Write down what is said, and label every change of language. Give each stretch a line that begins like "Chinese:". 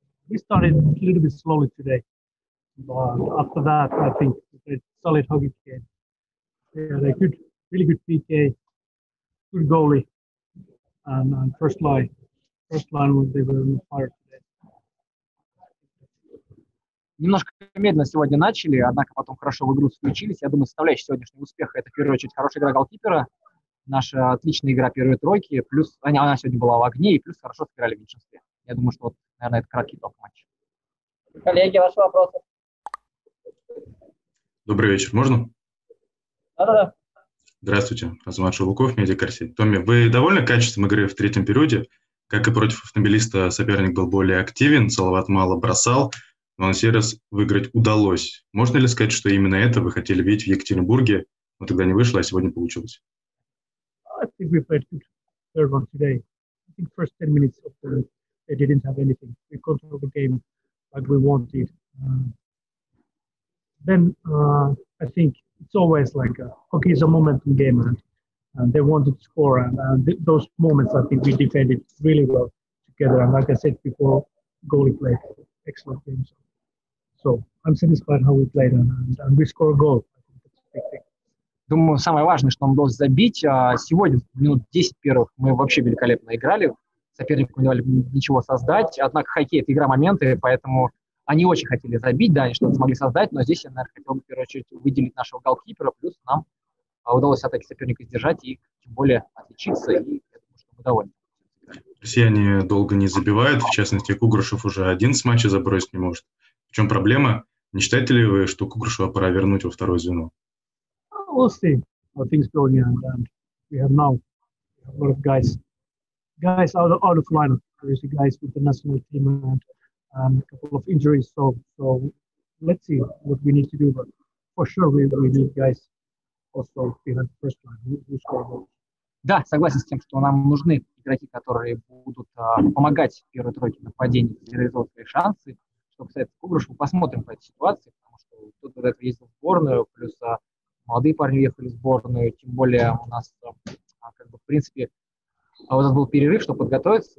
English: We started a little bit slowly today, but after that, I think it's a solid hockey game. They had a good, really good PK, good goalie, and first line, they were on fire today.
Russian: Немножко медленно сегодня начали, однако потом хорошо в игру включились. Я думаю, составляющая сегодняшнего успеха – это, в первую очередь, хорошая игра голкипера, наша отличная игра первой тройки, плюс она сегодня была в огне, и плюс хорошо сыграли в меньшинстве. Я думаю, что, вот, наверное, это краткий итог матча. Коллеги, ваши вопросы. Добрый вечер, можно? Да-да-да. Здравствуйте, Азамат Шулуков, медиакарсель. Томми, вы довольны качеством игры в третьем периоде? Как и против автомобилиста, соперник был более активен, Салават мало бросал, но на сей раз выиграть удалось. Можно ли сказать, что именно это вы хотели видеть в Екатеринбурге, но тогда не вышло, а сегодня получилось?
English: I think we played good third one today. I think first 10 minutes of the they didn't have anything. We controlled the game like we wanted. I think it's always like hockey is a momentum game, and they wanted to score. And those moments, I think we defended really well together. And like I said before, goalie played excellent game. So I'm satisfied how we played, and we score a goal. I think that's a big thing.
Russian: Думаю, самое важное, что он должен забить. Сегодня, минут 10 первых, мы вообще великолепно играли. Сопернику не дали ничего создать. Однако хоккей – это игра моменты, поэтому они очень хотели забить, да, они что-то смогли создать. Но здесь я, наверное, хотел бы, в первую очередь, выделить нашего голкипера. Плюс нам удалось атаки соперника сдержать и тем более отличиться. И я думаю, что мы довольны. Россияне долго не забивают. В частности, Кугрышев уже один с матча забросить не может. В чем проблема? Не считаете ли вы, что Кугрышева пора вернуть во второе звено?
English: We'll see how things go in, and we have now a lot of guys out of lineup. There's the guys with the national team and a couple of injuries. So let's see what we need to do. But for sure, we need guys also behind the first line. Who score goals?
Russian: Да, согласен с тем, что нам нужны игроки, которые будут помогать первой тройке нападения, реализовывать свои шансы. Что касается Кугрышева, посмотрим по этой ситуации, потому что тут вот это есть в сборную, плюс молодые парни уехали в сборную, тем более у нас, как бы, в принципе, вот это был перерыв, чтобы подготовиться.